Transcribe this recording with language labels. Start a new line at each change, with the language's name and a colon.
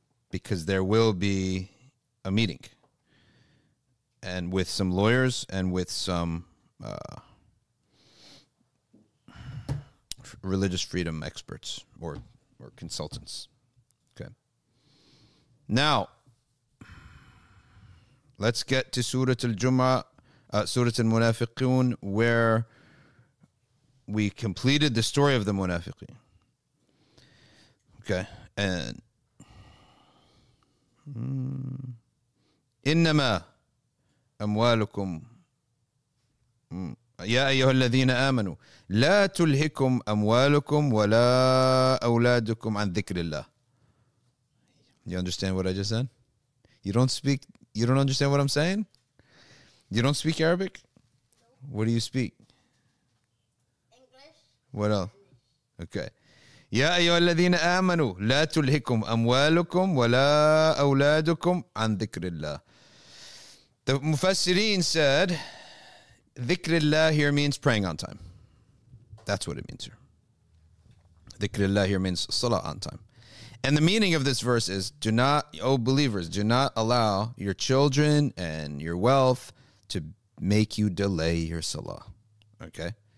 English: Because there will be a meeting. And with some lawyers and with some religious freedom experts or consultants. Okay. Now, let's get to Surat Al-Jum'ah, Surat Al-Munafiqoon, where we completed the story of the Munafiqeen. Okay.
Arabic: And إِنَّمَا أموالكم يا أيها الذين آمنوا لا تلهكم أموالكم ولا أولادكم عن ذكر الله.
English: You understand what I just said? You don't understand what I'm saying? You don't speak Arabic? Nope. What do you speak? English. What else? Okay.
Arabic: يا أيها الذين آمنوا لا تلهكم أموالكم ولا أولادكم عن ذكر الله.
English: The Mufassirin said, Dhikrillah here means praying on time. That's what it means here. Dhikrillah here means salah on time. And the meaning of this verse is, do not, O believers, do not allow your children and your wealth to make you delay your salah. Okay?